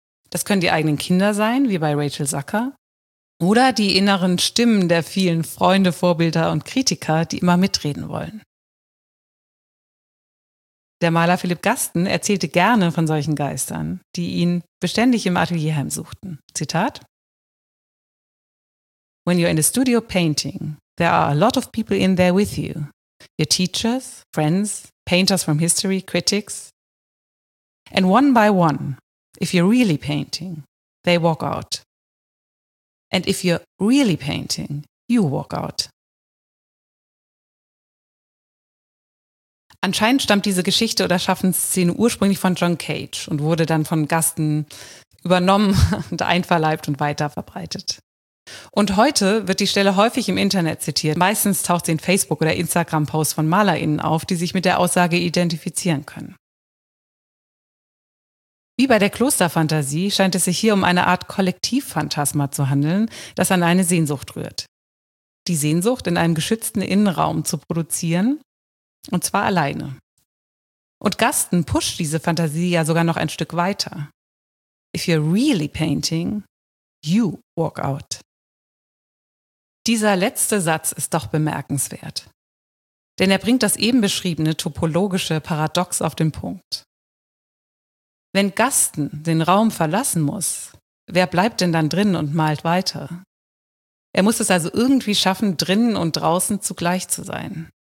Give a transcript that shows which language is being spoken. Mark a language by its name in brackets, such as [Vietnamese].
[German] Das können die eigenen Kinder sein, wie bei Rachel Zucker. Oder die inneren Stimmen der vielen Freunde, Vorbilder und Kritiker, die immer mitreden wollen. Der Maler Philipp Gasten erzählte gerne von solchen Geistern, die ihn beständig im Atelier heimsuchten. [English] Zitat: When you're in a studio painting, there are a lot of people in there with you. Your teachers, friends, painters from history, critics. And one by one, if you're really painting, they walk out. And if you're really painting, you walk out. [German] Anscheinend stammt diese Geschichte oder Schaffensszene ursprünglich von John Cage und wurde dann von Gaston übernommen und einverleibt und weiterverbreitet. Und heute wird die Stelle häufig im Internet zitiert. Meistens taucht sie in Facebook- oder Instagram-Posts von MalerInnen auf, die sich mit der Aussage identifizieren können. Wie bei der Klosterfantasie scheint es sich hier um eine Art Kollektivphantasma zu handeln, das an eine Sehnsucht rührt. Die Sehnsucht, in einem geschützten Innenraum zu produzieren, und zwar alleine. Und Gaston pusht diese Fantasie ja sogar noch ein Stück weiter. [English] If you're really painting, you walk out. [German] Dieser letzte Satz ist doch bemerkenswert. Denn er bringt das eben beschriebene topologische Paradox auf den Punkt. Wenn Gaston den Raum verlassen muss, wer bleibt denn dann drinnen und malt weiter? Er muss es also irgendwie schaffen, drinnen und draußen zugleich zu sein.